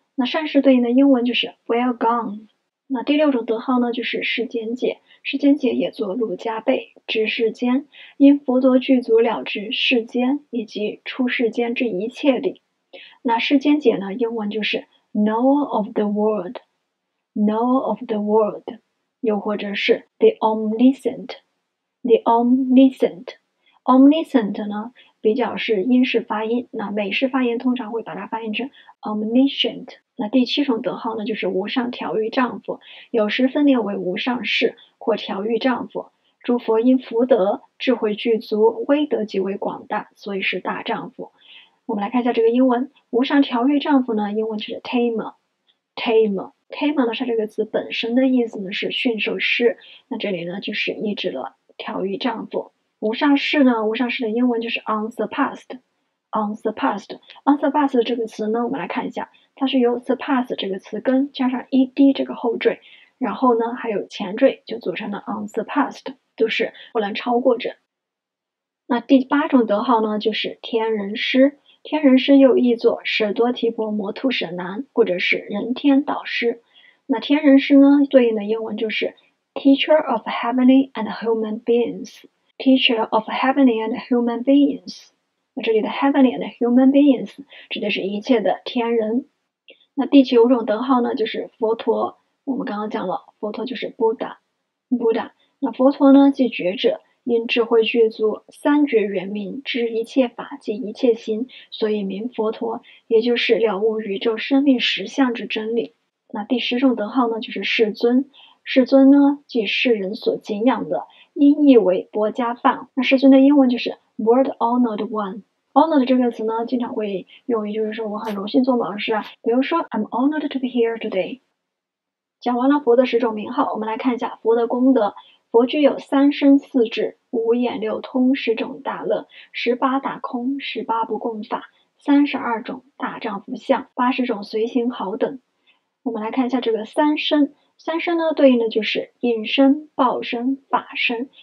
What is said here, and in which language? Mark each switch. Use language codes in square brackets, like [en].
[zh] 那善事对应的英文就是 well gone。那第六种德号呢，就是时间解。时间解也作路加被，知世间，因佛陀具足了知世间以及出世间之一切理。那时间解呢，英文就是 knower of the world。 Knower of the world，又或者是 the omniscient。 The omniscient。 Omniscient 呢，比较是英式发音，那美式发音通常会把它发音成 omniscient。那第七种德号呢，就是无上调御丈夫，有时分裂为无上士或调御丈夫。诸佛因福德、智慧具足，威德极为广大，所以是大丈夫。我们来看一下这个英文，无上调御丈夫呢，英文就是 tamer。tamer 呢，它这个词本身的意思呢是驯兽师，那这里呢就是意指了调御丈夫。无上士呢，无上士的英文就是 unsurpassed。unsurpassed 这个词呢，我们来看一下，它是由 surpass 这个词根加上 ed 这个后缀，然后呢还有前缀，就组成了 unsurpassed，就是不能超过者。那第八种德号呢，就是天人师。天人师又译作舍多提婆摩兔舍男，或者是人天导师。那天人师呢，对应的英文就是 teacher of heavenly and human beings。 teacher of heavenly and human beings。那这里的 heavenly and human beings 指的是一切的天人。那第九种德号呢，就是佛陀。我们刚刚讲了，佛陀就是 Buddha。那佛陀呢，即觉者，因智慧具足，三觉圆明，知一切法，即一切心，所以名佛陀，也就是了悟宇宙生命实相之真理。那第十种德号呢，就是世尊。世尊呢，即世人所敬仰的，音译为薄伽梵。那世尊的英文就是World honored one。Honored 这个词呢，经常会用于就是说我很荣幸做某事啊。比如说 [en] ，I'm honored to be here today。 [zh] 讲完了佛的十种名号，我们来看一下佛的功德。佛具有三身四智、五眼六通、十种大乐、十八打空、十八不共法、32种大丈夫相、80种随行好等。我们来看一下这个三身。三身呢，对应的就是应身、报身、法身。